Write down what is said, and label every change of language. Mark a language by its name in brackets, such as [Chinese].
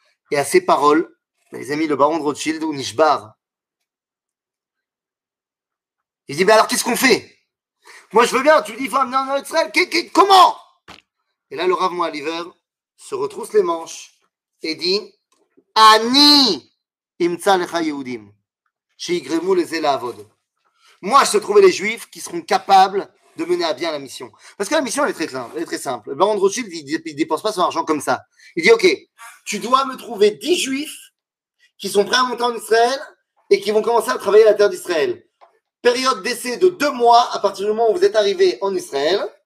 [French] Et à ces paroles, les amis, le baron de Rothschild, ou Nishbar, il dit, mais alors qu'est-ce qu'on fait? Moi je veux bien, tu lui dis, il faut amener en terre d'Israël, comment? Et là, le Rav Mon Haliver se retrousse les manches et dit, [Hebrew] אני אמצא לך יהודים שיגרמו לזה לעבוד. [French] Moi, je te trouver les juifs qui seront capables de mener à bien la mission. Parce que la mission, elle est très simple. Le baron de Rothschild, il ne dépense pas son argent comme ça. Il dit, OK, tu dois me trouver 10 juifs qui sont prêts à monter en Israël et qui vont commencer à travailler à la terre d'Israël. Période d'essai de 2 mois à partir du moment où vous êtes arrivé en Israël.